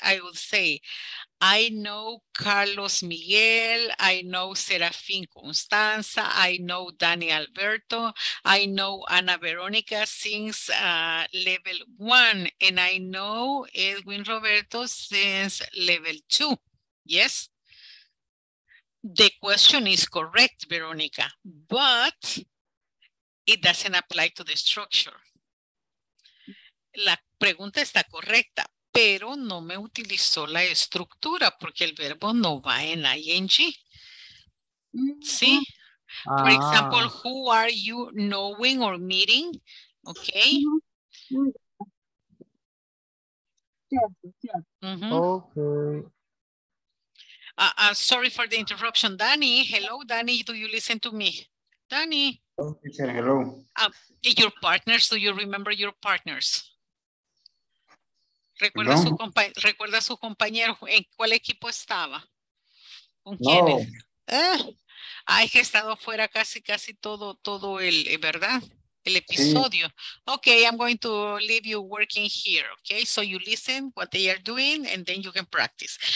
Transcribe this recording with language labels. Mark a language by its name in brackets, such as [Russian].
[English] I would say, I know Carlos Miguel, I know Serafín Constanza, I know Dani Alberto, I know Ana Veronica since level one, and I know Edwin Roberto since level two. Yes? The question is correct, Veronica, but it doesn't apply to the structure. [Spanish] La pregunta está correcta, pero no me utilizó la estructura porque el verbo no va en ing. ¿Sí? [English] For example, who are you knowing or meeting? Okay. Okay. Sorry for the interruption. Dani, hello, Dani, do you listen to me? Dani. Hello. Your partners, do you remember your partners? [Spanish] Recuerda su, ¿Recuerda su compañero? ¿En cuál equipo estaba? ¿Con quién? Ay, que he estado fuera casi todo el, ¿verdad? El episodio. Sí. [English] Okay, I'm going to leave you working here, okay? So you listen what they are doing and then you can practice.